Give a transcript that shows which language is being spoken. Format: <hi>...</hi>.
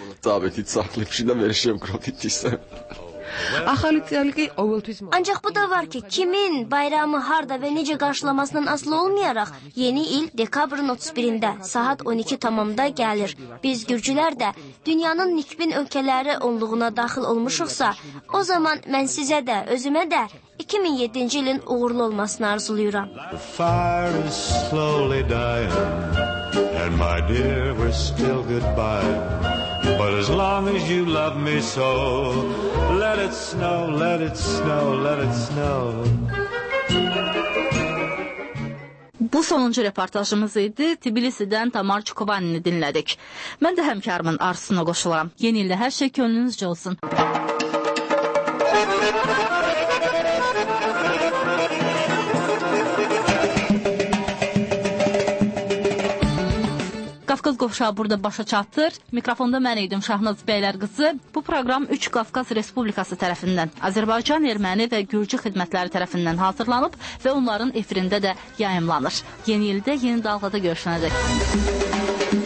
<az>Ancaq bu da var ki, kimin bayramı harada və necə qarşılamasından asılı olmayaraq, yeni il dekabrın 31-də saat 12 tamamda gəlir. Biz gürcülər də dünyanın nikbin ölkələri onluğuna daxil olmuşuqsa, o zaman mən sizə də, özümə də 2007-ci ilin uğurlu olmasını arzulayıram.</az> <en>And my dear, we're still goodbye. But as long as you love me so, let it snow, let it snow, let it snow.</en> <az>Bu sonuncu reportajımız idi. Tbilisi'dən Tamar Çukovanini dinledik. Mən də həmkarımın arzusuna qoşularam. Yeni ildə hər şey könlünüzcə olsun. Qafqaz Qovşağı burada başa çatır. Mikrofonda mən idim Şahnaz Bəylər qızı. Bu proqram 3 Qafqaz Respublikası tərəfindən, Azərbaycan, Erməni və Gürcü xidmətləri tərəfindən hazırlanıb və onların efirində də yayımlanır. Yeni ildə yeni dalğada görüşənədək.</az>